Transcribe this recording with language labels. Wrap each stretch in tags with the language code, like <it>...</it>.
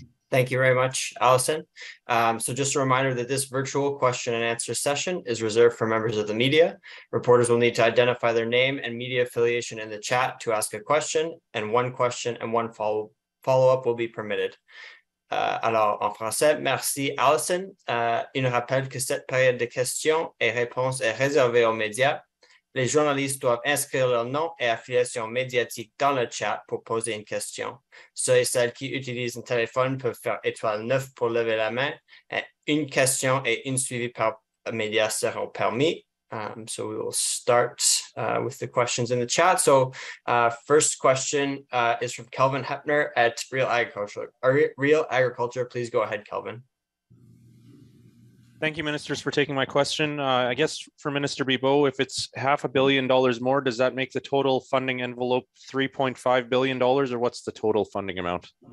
<en>Thank you very much, Allison. So just a reminder that this virtual question and answer session is reserved for members of the media. Reporters will need to identify their name and media affiliation in the chat to ask a question, and one question and one follow-up will be permitted.</en> <fr>Alors, en français, merci, Allison. Une rappel que cette période de questions et réponses est réservée aux médias. Les journalistes doivent inscrire leur nom et affiliation médiatique dans le chat pour poser une question. Ceux et celles qui utilisent un téléphone peuvent faire étoile 9 pour lever la main. Et une question et une suivie par média seront permis.</fr> <en>So we will start with the questions in the chat. So first question is from Kelvin Heppner at Real Agriculture. Real Agriculture, please go ahead, Kelvin. Thank you, ministers, for taking my question. I guess for Minister Bibeau, if it's $500 million more, does that make the total funding envelope $3.5 billion, or what's the total funding amount?</en>